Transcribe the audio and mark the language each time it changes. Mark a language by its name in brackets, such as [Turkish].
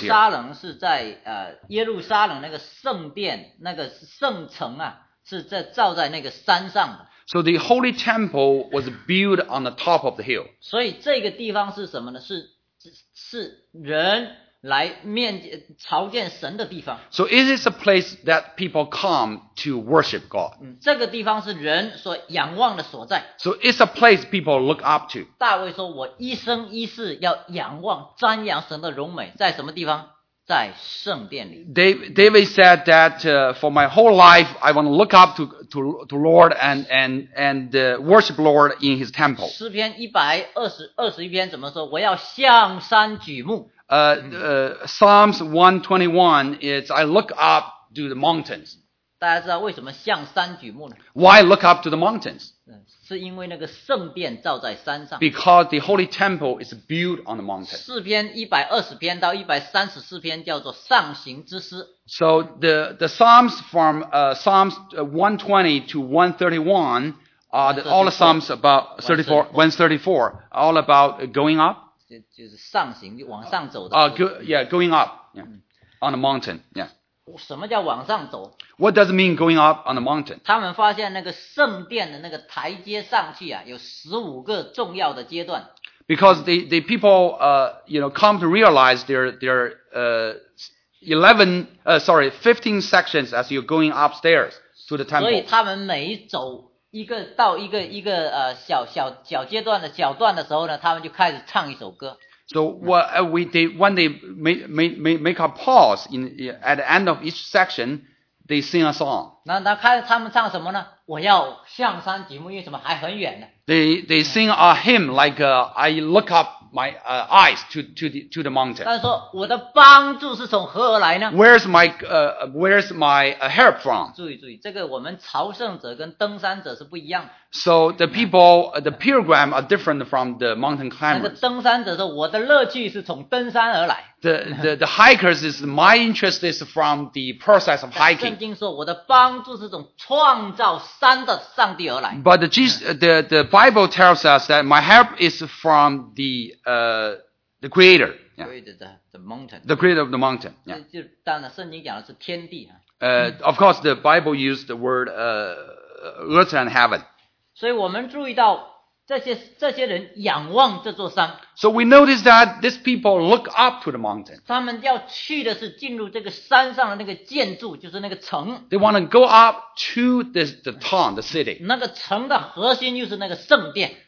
[Chinese] 耶路撒冷是在耶路撒冷那个圣殿那个圣城啊是在造在那个山上的。 [English] So the holy temple was built on the top of the hill. [Chinese] 所以这个地方是什么呢是人来面朝见神的地方。 [English] So it is a place that people come to worship God. [Chinese] 这个地方是人所仰望的所在。 [English] So it's a place people look up to. [Chinese] 大卫说我一生一世要仰望瞻仰神的荣美在什么地方在圣殿里。 [English] David said that for my whole life, I want to look up to Lord and worship Lord in his temple. [Chinese] 诗篇121篇怎么说我要向山举目。 [English] Psalms 121 is I look up to the mountains. [Chinese] 大家知道为什么向山举目呢? [English] Why look up to the mountains? [Chinese] 是因为那个圣殿造在山上。 [English] Because the holy temple is built on the mountain. [Chinese] 诗篇120篇到134篇叫做上行之诗。 [English] So the Psalms from Psalms 120 to 131 are all the Psalms about 134 all about going up. [Chinese] 就是上行就往上走的。 [English] Going up, yeah, on the mountain, yeah. [Chinese] 什么叫往上走? [English] What does it mean going up on the mountain? [Chinese] 他们发现那个圣殿的那个台阶上去啊有15个重要的阶段。 [English] Because the people, you know, come to realize there are 15 sections as you're going upstairs to the temple. [Chinese] 所以他们每走一个到一个小阶段的小段的时候呢，他们就开始唱一首歌。 [English] So when they make a pause in at the end of each section, they sing a song. [Chinese] 那开始他们唱什么呢？我要向山举目，因为什么还很远呢 [English] ？They sing a hymn like I look up my eyes to the mountain. [Chinese] 但是说我的帮助是从何而来呢 [English] ？Where's my help from？ [Chinese] 注意，这个我们朝圣者跟登山者是不一样的。 [English] So the people, the pilgrim are different from the mountain climbers. [Chinese] 那个登山者说我的乐趣是从登山而来。 [English] The hikers is my interest is from the process of hiking. [Chinese] 圣经说我的帮助是从创造山的上帝而来。 [English] But the Bible tells us that my help is from the creator. Creator the mountain. The creator of the mountain. [Chinese] 就当然圣经讲的是天地。 [English] Of course the Bible used the word earth and heaven. [Chinese] 所以我们注意到这些人仰望这座山。 [English] So we notice that these people look up to the mountain. [Chinese] 他们要去的是进入这个山上的那个建筑，就是那个城。 [English] They want to go up to the town, the city. [Chinese] 那个城的核心就是那个圣殿。